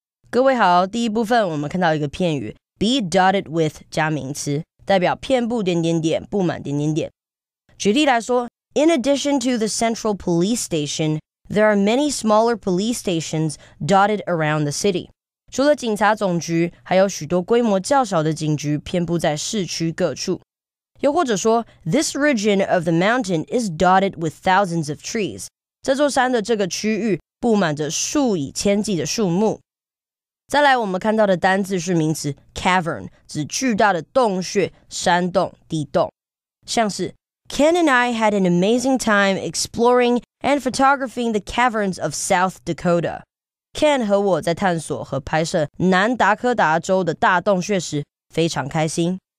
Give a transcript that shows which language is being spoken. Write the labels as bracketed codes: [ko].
[en] Good morning. [zh] 第一部分我们看到一个片语 [en] be dotted with [zh] 加名词，代表遍布点点点，布满点点点。举例来说 [en] ，In addition to the central police station, there are many smaller police stations dotted around the city. [zh] 除了警察总局，还有许多规模较小的警局遍布在市区各处。又或者说 [en] ，This region of the mountain is dotted with thousands of trees. [zh] 这座山的这个区域布满着数以千计的树木。再来，我们看到的单字是名词 cavern， 指巨大的洞穴、山洞、地洞。像是 [en] ，Ken and I had an amazing time exploring and photographing the caverns of South Dakota. [zh] Ken 和我在探索和拍摄南达科达州的大洞穴时非常开心。